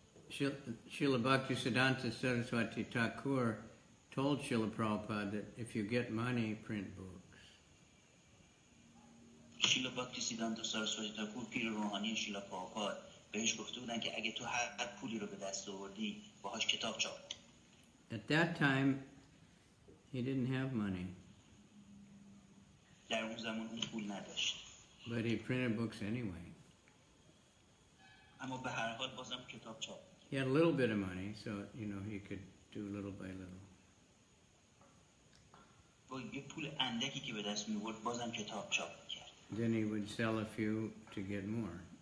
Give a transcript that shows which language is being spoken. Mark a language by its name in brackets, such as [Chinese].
[English] Srila Bhaktisiddhanta Saraswati Thakur told Srila Prabhupada that if you get money, print books. [Persian] شیلا بھاکتیسیدانتا سارسواتی تاکور پیر روحانی شیلا پراپاد بهش گفته بودن که اگه تو هر پولی رو به دست آوردی باهاش کتاب چاپ. [English] At that time he didn't have money. [Persian] در اون زمان اون پول نداشت. [English] But he printed books anyway. [Persian] اما به هر حال بازم کتاب چاپ. [English] He had a little bit of money, so you know he could do little by little. [Persian] با یه پول اندکی که به دست می آورد بازم کتاب چاپ. [English] Then he would sell a few to get more.